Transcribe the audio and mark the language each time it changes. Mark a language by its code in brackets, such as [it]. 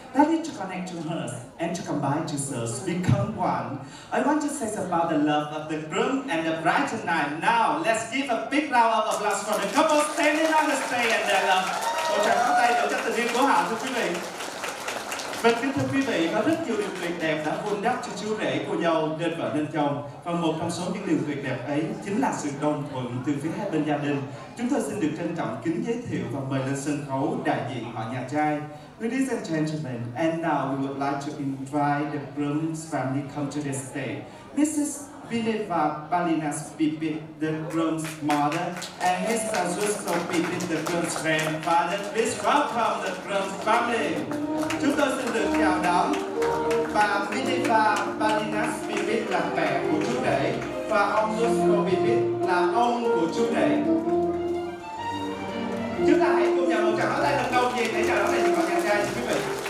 [en] That is to connect to her and to combine to serve, become one. I want to say about the love of the groom and the bride tonight. Now, let's give a big round of applause for the couple standing on the stage and their love. [vi] Một tràng pháo tay đổ cho tình yêu của họ, thưa quý vị. Và kính thưa quý vị, có rất nhiều điều tuyệt đẹp đã vun đắp cho chú rể cô dâu nên vợ nên chồng. Và một trong số những điều tuyệt đẹp ấy chính là sự đồng thuận từ phía hai bên gia đình. Chúng tôi xin được trân trọng kính giới thiệu và mời lên sân khấu đại diện họ nhà trai. [en] Ladies and gentlemen, and now we would like to invite the groom's family come to the stage. Mrs. Vineva Balinas Pipit, the groom's mother, and Mr. Zusko Pipit, the groom's grandfather. Please welcome the groom's family. [vi] Chúng tôi xin được chào đón bà Vineva Balinas Pipit là mẹ của chú rể và ông Zusko Pipit là ông của chú rể. Chúng ta hãy cùng nhau một tràng pháo tay thật nồng nhiệt để chào đón đại diện họ nhà trai, quý vị.